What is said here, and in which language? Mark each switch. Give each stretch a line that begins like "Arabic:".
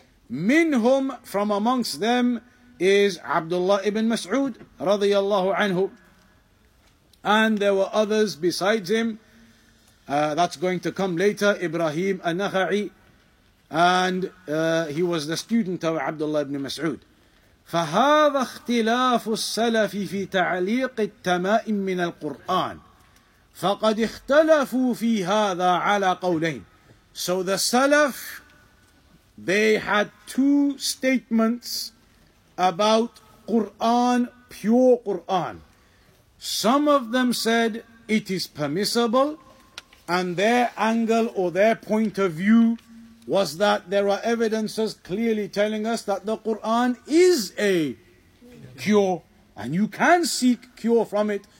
English: Minhum, from amongst them, is Abdullah ibn Mas'ud, radiyallahu anhu. And there were others besides him, that's going to come later, Ibrahim an-Nakhai. And he was the student of Abdullah ibn Mas'ud.
Arabic: فهذا اختلاف السلف في تعليق التمائم من القرآن فقد اختلفوا في هذا على قولين.
English: So the Salaf, they had two statements about Quran, pure Quran. Some of them said it is permissible, and their angle or their point of view was that there are evidences clearly telling us that the Qur'an is a cure, and you can seek cure from it.